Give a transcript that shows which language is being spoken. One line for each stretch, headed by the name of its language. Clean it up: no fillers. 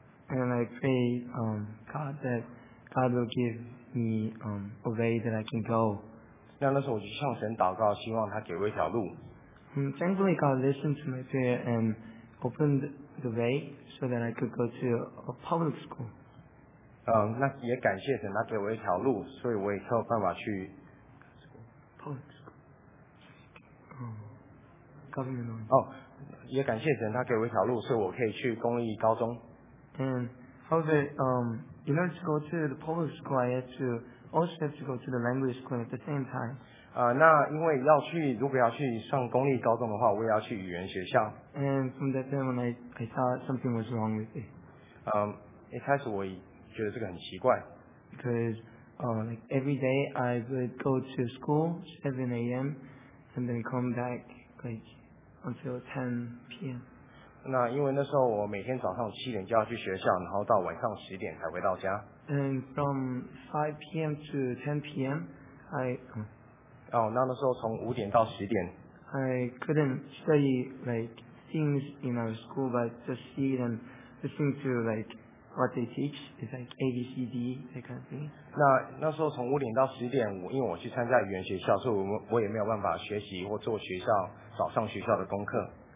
English: And I pray God that God will give me a way that I can go.
Chinese: 那时候我就向神祷告，希望他给我一条路。
English: Thankfully, God listened to my prayer and opened the way so that I could go to a public school.
Chinese: 那也感谢神，他给我一条路，所以我也才有办法去
English: public school. Government.
Chinese: 也感谢神，他给我一条路，所以我可以去公立高中。
English: And however, in order to go to the public school, I had to also have to go to the language school at the same time.
Chinese: 那因为如果要去上公立高中的话，我也要去语言学校。
English: And from that time on, I thought something was wrong with it.
Chinese: 一开始我觉得这个很奇怪。
English: Because, like every day, I would go to school 7 a.m. and then come back like until 10 p.m.
Chinese: 那因为那时候我每天早上七点就要去学校，然后到晚上十点才回到家。
English: And from 5 p.m. to 10 p.m. I
Chinese: 哦，那那时候从五点到十点。
English: I couldn't study like things in our school, but just see them, listen to like what they teach. It's like A B C D that kind of thing.
Chinese: 那那时候从五点到十点，我因为我去参加语言学校，所以我也没有办法学习或做学校早上学校的功课。